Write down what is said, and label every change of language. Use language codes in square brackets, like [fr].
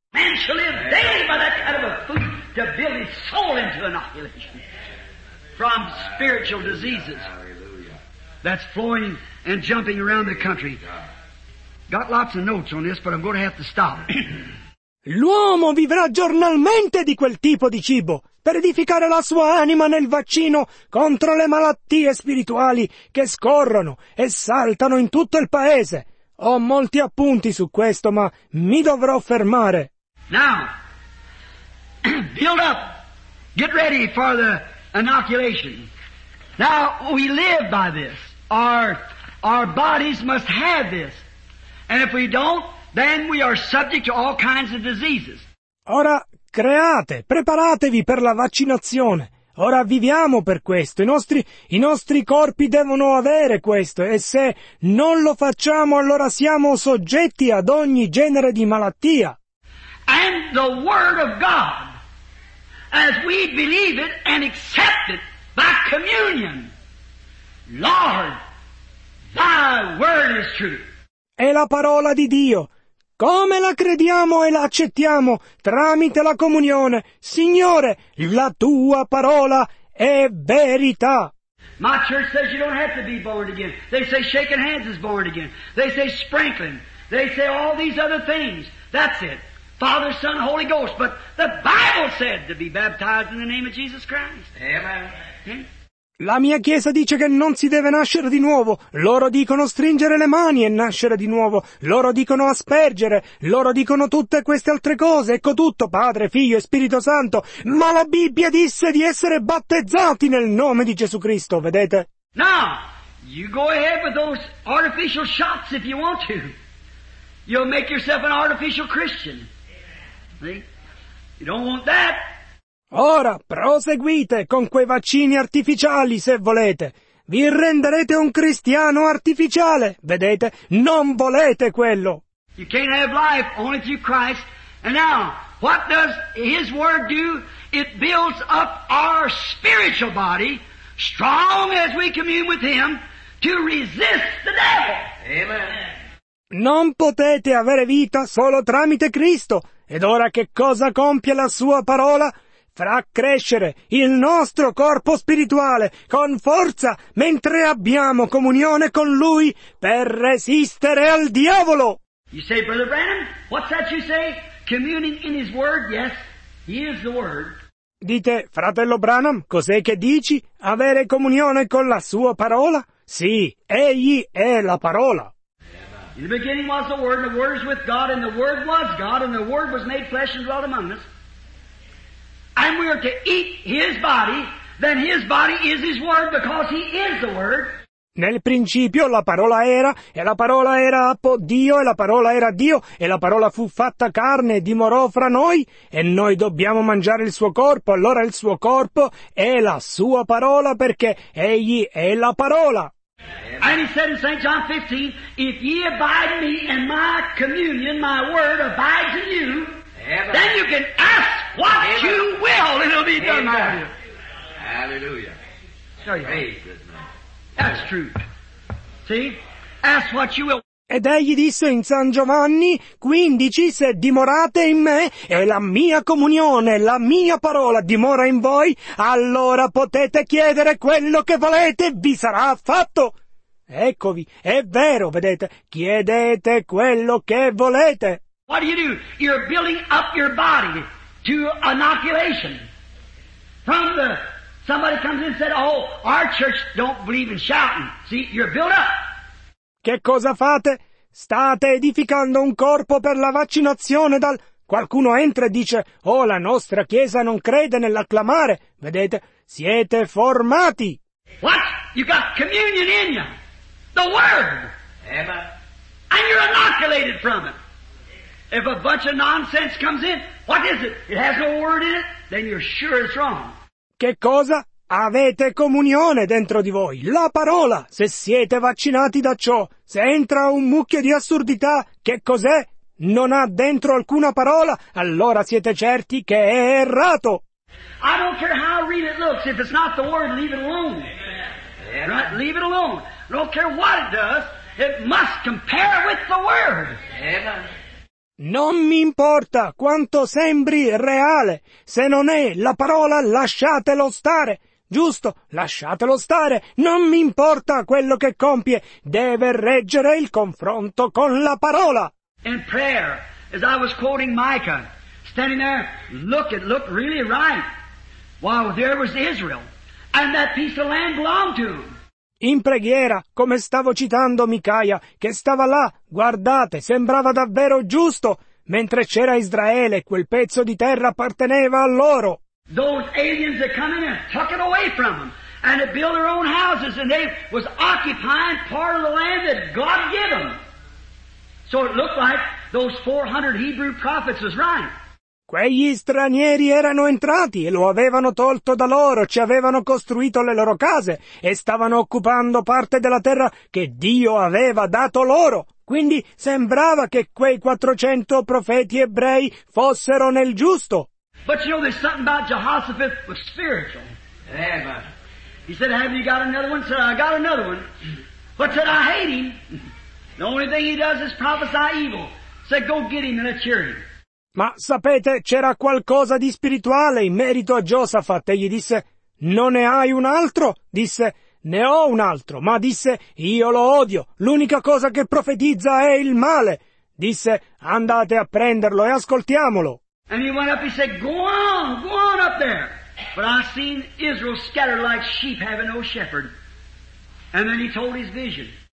[en] Man shall live daily by that kind of a food. To build his soul into inoculation from spiritual diseases that's flowing and jumping around the country. Got lots of notes on this, but I'm going to have to stop. [it] L'uomo vivrà giornalmente di quel tipo di cibo, per edificare la sua anima nel vaccino contro le malattie spirituali che scorrono e saltano in tutto il paese. Ho molti appunti su questo, ma mi dovrò fermare. [en] Now, build up. Get ready for the inoculation. Now, we live by this. Our bodies must have this. And if we don't, then we are subject to all kinds of diseases. [it] Ora, create, preparatevi per la vaccinazione. Ora viviamo per questo. I nostri corpi devono avere questo. E se non lo facciamo, allora siamo soggetti ad ogni genere di malattia. [en] And the Word of God, as we believe it and accept it by communion, Lord, thy word is true. [it] È la parola di Dio. Come la crediamo e la accettiamo tramite la comunione, Signore, la tua parola è verità. [en] My church says you don't have to be born again. They say shaking hands is born again. They say sprinkling. They say all these other things. That's it. Father, Son, Holy Ghost. But the Bible said to be baptized in the name of Jesus Christ. Amen. [it] La mia chiesa dice che non si deve nascere di nuovo. Loro dicono stringere le mani e nascere di nuovo. Loro dicono aspergere. Loro dicono tutte queste altre cose. Ecco tutto, Padre, Figlio e Spirito Santo. Ma la Bibbia disse di essere battezzati nel nome di Gesù Cristo, vedete? [en] Now, you go ahead with those artificial shots if you want to. You'll make yourself an artificial Christian. See? You don't want that. [it] Ora, proseguite con quei vaccini artificiali, se volete. Vi renderete un cristiano artificiale, vedete? Non volete quello. [en] You can't have life only through Christ. And now, what does His Word do? It builds up our spiritual body, strong as we commune with Him, to resist the devil. Amen. [it] Non potete avere vita solo tramite Cristo. Ed ora che cosa compie la Sua parola? Farà crescere il nostro corpo spirituale con forza mentre abbiamo comunione con Lui per resistere al diavolo. [en] You say, Brother Branham, what's that you say? Communing in His Word? Yes, He is the Word. [it] Dite, fratello Branham, cos'è che dici? Avere comunione con la Sua parola? Sì, Egli è la parola. [en] In the beginning was the Word, and the Word was with God, and the Word was God, and the Word was made flesh and dwelt among us. And we are to eat His body, then His body is His Word, because He is the Word. [it] Nel principio la parola era, e la parola era appo Dio, e la parola era Dio, e la parola fu fatta carne e dimorò fra noi, e noi dobbiamo mangiare il suo corpo, allora il suo corpo è la sua parola, perché Egli è la parola. [en] And He said in St. John 15, if ye abide in me and my communion, my word abides in you, Amen. Then you can ask what Amen. You will, and it'll be done Amen. For you. Hallelujah. Show you. Praise His name. That's true. See? Ask what you will. [it] Ed egli disse in San Giovanni 15, se dimorate in me e la mia comunione, la mia parola dimora in voi, allora potete chiedere quello che volete, vi sarà fatto. Eccovi, è vero, vedete, chiedete quello che volete. [en] What do? You're building up your body to inoculation. From the, somebody comes in and said, oh, our church don't believe in shouting. See, you're built up. [it] Che cosa fate? State edificando un corpo per la vaccinazione dal... Qualcuno entra e dice, oh, la nostra chiesa non crede nell'acclamare. Vedete, siete formati. [en] What? You got communion in you. The Word. Emma. And you're inoculated from it. If a bunch of nonsense comes in, what is it? It has no Word in it? Then you're sure it's wrong. [it] Che cosa? Avete comunione dentro di voi, la parola, se siete vaccinati da ciò. Se entra un mucchio di assurdità, che cos'è? Non ha dentro alcuna parola, allora siete certi che è errato. [en] I don't care how real it looks, if it's not the Word, leave it alone. Amen. Right? Leave it alone. I don't care what it does, it must compare with the Word. Amen. [it] Non mi importa quanto sembri reale, se non è la parola, lasciatelo stare. Giusto, lasciatelo stare. Non mi importa quello che compie, deve reggere il confronto con la parola. [en] In prayer, as I was quoting Micah, standing there, look, it looked really right. while there was Israel, and that piece of land belonged to him. [it] In preghiera, come stavo citando Micaia, che stava là, guardate, sembrava davvero giusto, mentre c'era Israele, quel pezzo di terra apparteneva a loro. [en] Those aliens that come in and took it away from them, and they built their own houses, and they was occupying part of the land that God had given them. So it looked like those 400 Hebrew prophets was right. [it] Quegli stranieri erano entrati e lo avevano tolto da loro, ci avevano costruito le loro case e stavano occupando parte della terra che Dio aveva dato loro. Quindi sembrava che quei 400 profeti ebrei fossero nel giusto. [en] But you know, there's something about Jehoshaphat was spiritual. Yeah, he said, have you got another one? He said, I got another one. But said, I hate him. The only thing he does is prophesy evil. Said, go get him and let's hear him. [it] Ma sapete, c'era qualcosa di spirituale in merito a Giosafat, e gli disse, non ne hai un altro? Disse, ne ho un altro, ma disse, io lo odio, l'unica cosa che profetizza è il male. Disse, andate a prenderlo e ascoltiamolo. [en] And he went up, he said, go on up there. But I've seen Israel scattered like sheep having no shepherd. And then he told his vision.